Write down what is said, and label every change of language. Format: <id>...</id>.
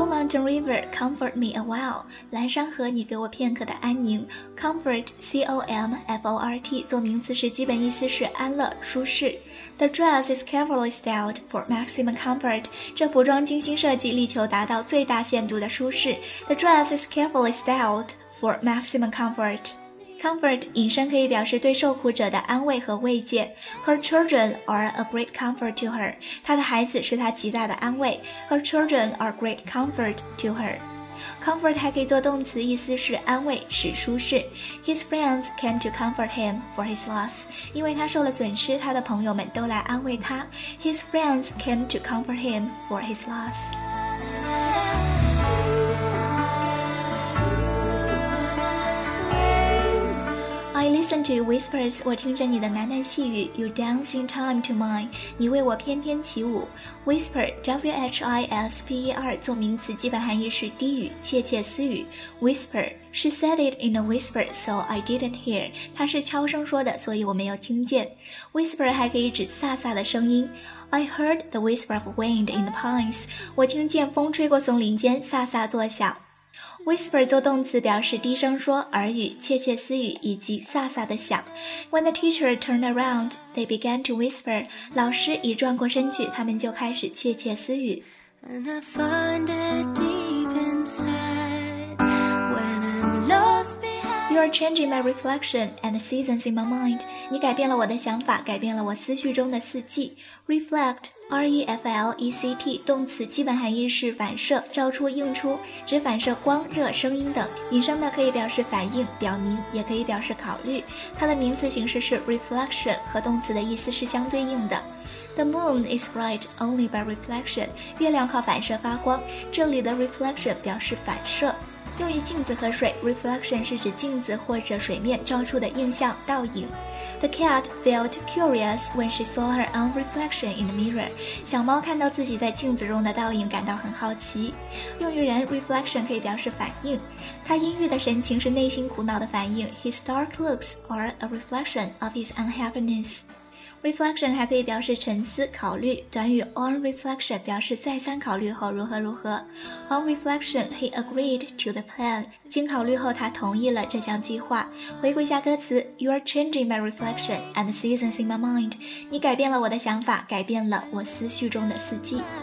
<en>Mountain River, comfort me a while.</en> <zh>蓝山河，你给我片刻的安宁。Comfort, C-O-M-F-O-R-T, 做名词时基本意思是安乐、舒适。</zh> <en>The dress is carefully styled for maximum comfort.</en> <zh>这服装精心设计，力求达到最大限度的舒适。</zh> <en>The dress is carefully styled for maximum comfort.</en> <zh>Comfort 引申可以表示对受苦者的安慰和慰藉。</zh> <en>Her children are a great comfort to her.</en> <zh>她的孩子是她极大的安慰。</zh> <en>Her children are great comfort to her.</en> <zh>Comfort 还可以做动词，意思是安慰，使舒适。</zh> <en>His friends came to comfort him for his loss.</en> <zh>因为他受了损失，他的朋友们都来安慰他。</zh> <en>His friends came to comfort him for his loss. I listen to your whispers,</en> <zh>我听着你的喃喃细语。</zh> <en>You dance in time to mine,</en> <zh>你为我翩翩起舞。 Whisper, W-H-I-S-P-E-R, 做名词基本含义是低语、窃窃私语。</zh> <en>Whisper, She said it in a whisper, so I didn't hear.</en> <zh>她是悄声说的，所以我没有听见。Whisper 还可以指飒飒的声音。</zh> <en>I heard the whisper of wind in the pines,</en> <zh>我听见风吹过松林间，飒飒作响。 Whisper 做动词表示低声说、耳语、窃窃私语以及飒飒的响。</zh> <en>When the teacher turned around, they began to whisper.</en> <zh>老师一转过身去，他们就开始窃窃私语。</zh> <en>And I find it deep inside when I'm lost behind. You are changing my reflection and the seasons in my mind.</en> <zh>你改变了我的想法，改变了我思绪中的四季。</zh> <en>Reflect.</en> <zh>R-E-F-L-E-C-T, 动词基本含义是反射、照出、映出，指反射光、热、声音等。引申的可以表示反应、表明，也可以表示考虑。它的名词形式是 reflection, 和动词的意思是相对应的。</zh> <en>The moon is bright only by reflection,</en> <zh>月亮靠反射发光，这里的 reflection 表示反射。用于镜子和水， reflection 是指镜子或者水面照出的映像、倒影。</zh> <en>The cat felt curious when she saw her own reflection in the mirror.</en> <zh>小猫看到自己在镜子中的倒影感到很好奇。用于人， reflection 可以表示反应。他阴郁的神情是内心苦恼的反应。</zh> <en>His dark looks are a reflection of his unhappiness.</en> <zh>Reflection 还可以表示沉思、考虑。短语 on reflection 表示再三考虑后如何如何。</zh> <en>On reflection, he agreed to the plan.</en> <zh>经考虑后，他同意了这项计划。回顾一下歌词 ，</zh> <en>You are changing my reflection and the seasons in my mind.</en> <zh>你改变了我的想法，改变了我思绪中的四季。</zh>